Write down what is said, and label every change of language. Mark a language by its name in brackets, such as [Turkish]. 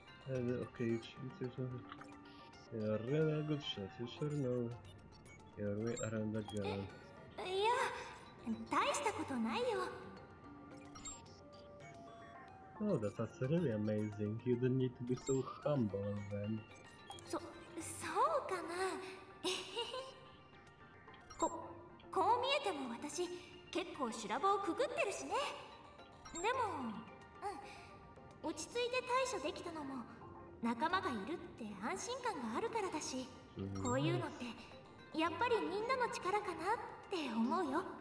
[English] Okay, you're a really good shot, you sure know. You're way around the gun. [Japanese] いや、大したことないよ。 [English] Oh, that's really amazing. You don't need to be so humble then. [Japanese] そうかな。こう見えても私、結構修羅場をくぐってるしね。でも、うん、落ち着いて対処できたのも、仲間がいるって安心感があるからだし、こういうのってやっぱりみんなの力かなって思うよ。